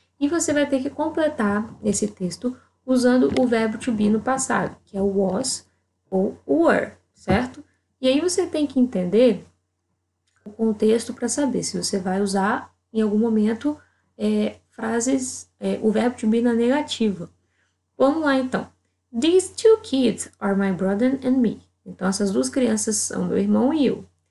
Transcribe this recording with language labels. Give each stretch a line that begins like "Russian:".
Portuguese: E você vai ter que completar esse texto usando o verbo to be no passado, que é o was ou were, certo? E aí você tem que entender o contexto para saber se você vai usar em algum momento frases, o verbo to be na negativa. Vamos lá então.
English: These two kids are my brother and me.
Portuguese: Então, essas duas crianças são meu irmão e eu.